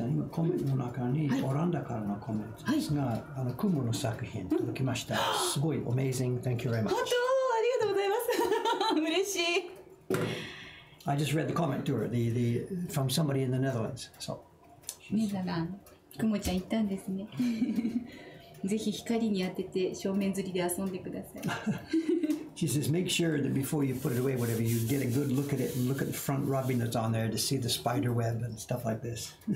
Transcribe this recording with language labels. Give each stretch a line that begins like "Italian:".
Japanese: コメントの中にオランダからのコメントですが、はい、雲の作品届きました。
English: すごい amazing, thank you very much.
Japanese: 本当ありがとうございます。嬉しい。
English: I just read the comment to her, the from somebody in the Netherlands. So,
Japanese: メザラン、雲ちゃん言ったんですね。ぜひ光に当てて正面釣りで遊んでください。
English: She says, make sure that before you put it away, whatever, you get a good look at it and look at the front rubbing that's on there to see the spider web and stuff like this.